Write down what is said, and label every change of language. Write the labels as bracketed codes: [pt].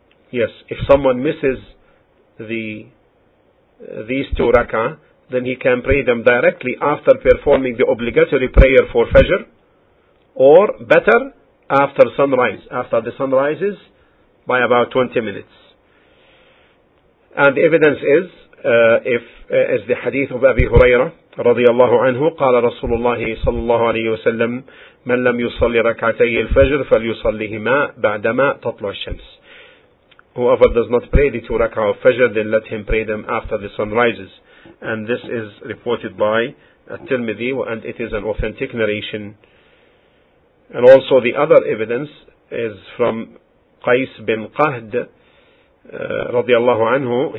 [en] Yes, if someone misses these two rak'ah, then he can pray them directly after performing the obligatory prayer for Fajr, or better, after sunrise, after the sun rises, by about 20 minutes. And the evidence is the hadith of Abi Huraira, [ar] رضي الله عنه, قال رسول الله صلى الله عليه وسلم, من لم يصلي ركعتي الفجر فليصليهما بعدما تطلع الشمس. [en] Whoever does not pray the two rak'ah of Fajr, then let him pray them after the sun rises. And this is reported by At-Tirmidhi, and it is an authentic narration. And also the other evidence is from Qais bin Qahd, radiallahu anhu.